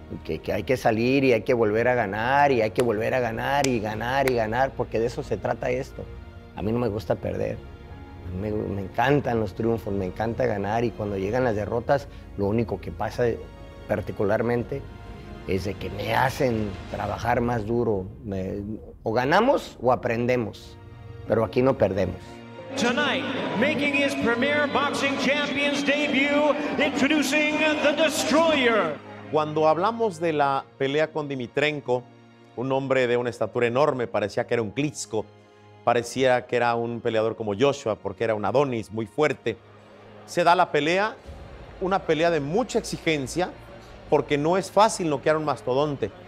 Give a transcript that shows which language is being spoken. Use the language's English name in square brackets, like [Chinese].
[Spanish] Que hay que salir y hay que volver a ganar y hay que volver a ganar y ganar y ganar, porque de eso se trata esto. A mí no me gusta perder. Me encantan los triunfos, me encanta ganar, y cuando llegan las derrotas, lo único que pasa particularmente es de que me hacen trabajar más duro. O ganamos o aprendemos, pero aquí no perdemos. [English] Tonight, making his premier boxing champion's debut, introducing the Destroyer. [Spanish] Cuando hablamos de la pelea con Dmitrenko, un hombre de una estatura enorme, parecía que era un Klitschko, parecía que era un peleador como Joshua, porque era un Adonis muy fuerte. Se da la pelea, una pelea de mucha exigencia, porque no es fácil noquear a un mastodonte.